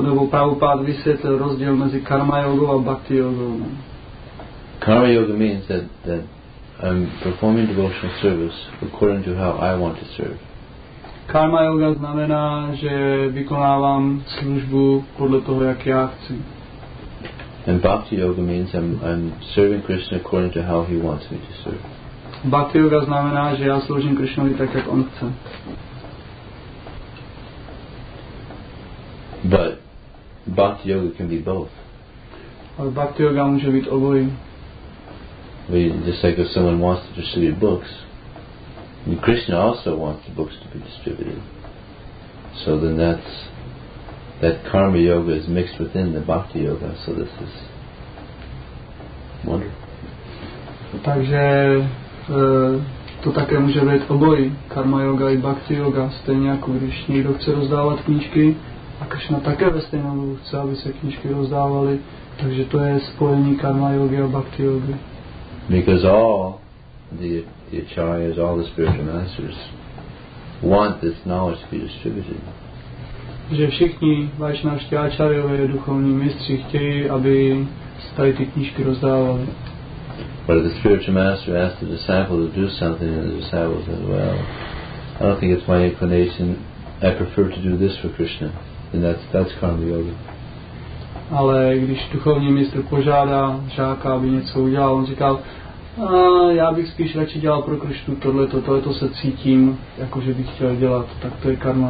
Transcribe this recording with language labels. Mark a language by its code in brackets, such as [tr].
[cs] Prabhupada vysvětlil rozdíl mezi karma yoga a bhakti yoga. [en] Karma yoga means that I'm performing devotional service according to how I want to serve. [cs] Karma yoga znamená, že vykonávám službu podle toho, jak já chci. [en] And bhakti yoga means I'm serving Krishna according to how he wants me to serve. [cs] Bhakti yoga znamená, že já sloužím Krishnovi tak, jak on chce. [en] But bhakti yoga can be both. [cs] Ale bhakti yoga může být obojí. [en] We, just like if someone wants to distribute books, and Krishna also wants the books to be distributed. So then that karma yoga is mixed within the bhakti yoga, so this is wonderful. [cs] Takže to také může být obojí, karma yoga i bhakti yoga, stejně jako když někdo chce rozdávat knížky, a Krishna také ve stejnou dobu chce, aby se knížky rozdávaly, takže to je spojení karma yoga a bhakti yoga. [en] Because all the acharyas, all the spiritual masters want this knowledge to be distributed. [cs] Že všichni vaishnavští acharyové, duchovní mistři, chtějí, aby tady ty knížky rozdávali. [en] But if the spiritual master asks the disciple to do something, and the disciple says, well, I don't think it's my inclination, I prefer to do this for Krishna, then that's karma yoga. [cs] Ale když duchovní mistr požádá žáka, aby něco udělal, on říkal, já bych spíš radši dělal pro Krištu tohleto se cítím, jakože bych chtěl dělat, tak to je karma.